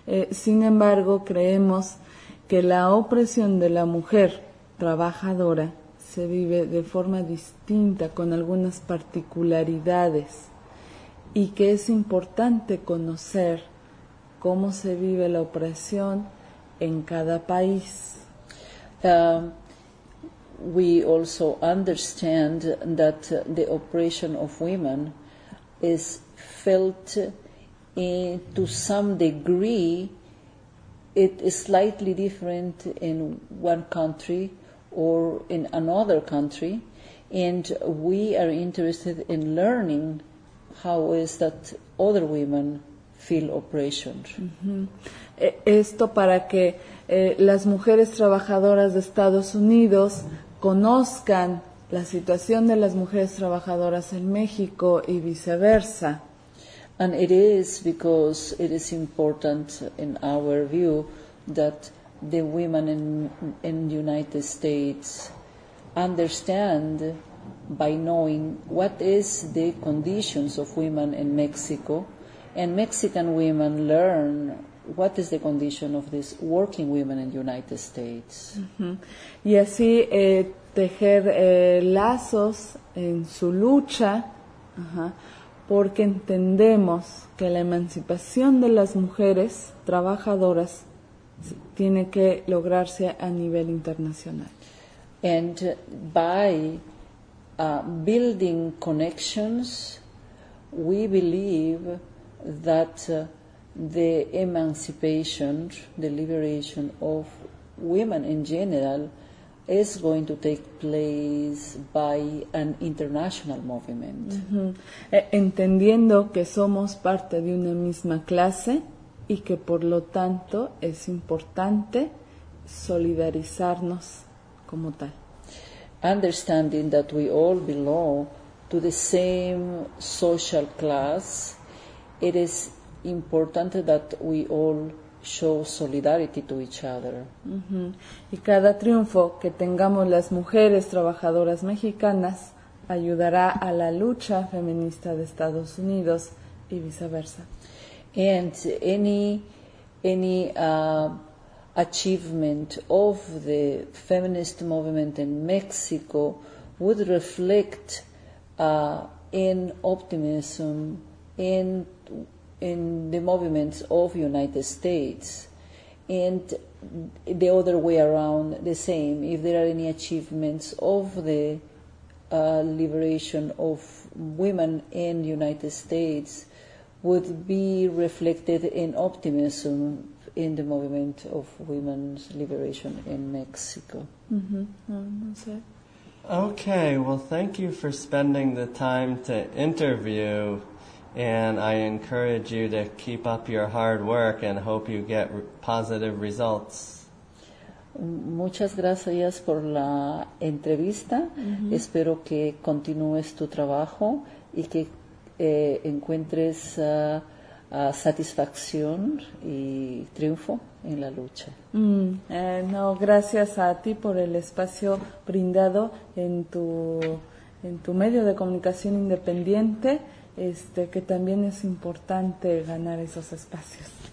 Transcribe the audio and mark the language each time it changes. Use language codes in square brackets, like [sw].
[es] Sin embargo, creemos que la opresión de la mujer trabajadora se vive de forma distinta, con algunas particularidades, y que es importante conocer cómo se vive la opresión en cada país. [en] We also understand that the oppression of women is felt to some degree, it is slightly different in one country or in another country, and we are interested in learning how is that other women feel oppression. Mm-hmm. [es] esto para que las mujeres trabajadoras de Estados Unidos conozcan la situación de las mujeres trabajadoras en México y viceversa. [en] And it is because it is important in our view that the women in the United States understand by knowing what is the conditions of women in Mexico, and Mexican women learn what is the condition of these working women in the United States. Mm-hmm. [es] Y así tejer lazos en su lucha, porque entendemos que la emancipación de las mujeres trabajadoras tiene que lograrse a nivel internacional. [en] And by building connections, we believe that the emancipation, the liberation of women in general, is going to take place by an international movement. [es] Entendiendo que somos parte de una misma clase y que por lo tanto es importante solidarizarnos como tal. [en] Understanding that we all belong to the same social class, it is important that we all show solidarity to each other. [es] Y cada triunfo que tengamos las mujeres trabajadoras mexicanas ayudará a la lucha feminista de Estados Unidos y viceversa. [en] And any achievement of the feminist movement in Mexico would reflect in optimism in the movements of United States, and the other way around the same. If there are any achievements of the liberation of women in the United States, would be reflected in optimism in the movement of women's liberation in Mexico. Okay, well, thank you for spending the time to interview, and I encourage you to keep up your hard work and hope you get positive results. [es] Muchas gracias por la entrevista. Espero que continúes tu trabajo y que encuentres satisfacción y triunfo en la lucha. No, gracias a ti por el espacio brindado en tu medio de comunicación independiente, que también es importante ganar esos espacios.